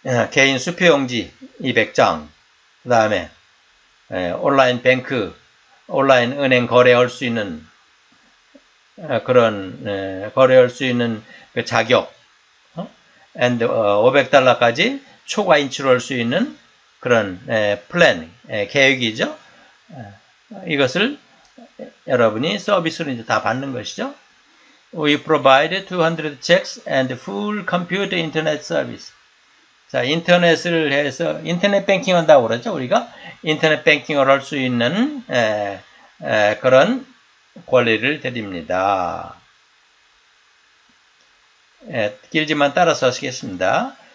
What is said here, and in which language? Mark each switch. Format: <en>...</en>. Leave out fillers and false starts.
<ko>개인 수표용지 200장. 그 다음에 온라인 뱅크, 온라인 은행 거래할 수 있는 그런 거래할 수 있는 그 자격. And $500까지 초과 인출할 수 있는 그런 plan 계획이죠. 이것을 여러분이 서비스로 이제 다 받는 것이죠.</ko> <en>We provide 200 checks and full computer internet service.</en> <ko>자, 인터넷을 해서 인터넷 뱅킹 한다고 그러죠. 우리가 인터넷 뱅킹을 할 수 있는 그런 권리를 드립니다. 길지만 따라서 하시겠습니다.</ko>